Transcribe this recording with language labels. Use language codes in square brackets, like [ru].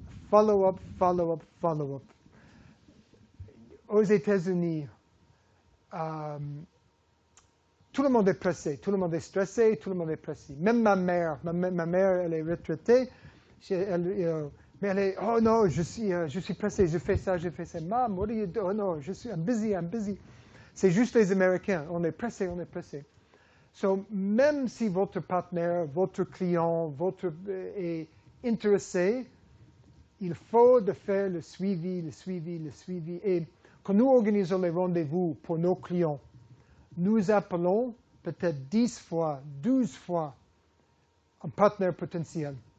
[en] Follow-up, follow-up, follow-up. [fr] Aux États-Unis, tout le monde est pressé, tout le monde est stressé, tout le monde est pressé. Même ma mère, ma mère, elle est retraitée. Je suis pressé, je fais ça. [en] Mom, what are you doing? Oh non, I'm busy. [fr] C'est juste les Américains, on est pressé. So, même si votre partenaire, votre client, est intéressé, il faut de faire le suivi. Et quand nous organisons les rendez-vous pour nos clients, nous appelons peut-être 10 fois, 12 fois un partenaire potentiel.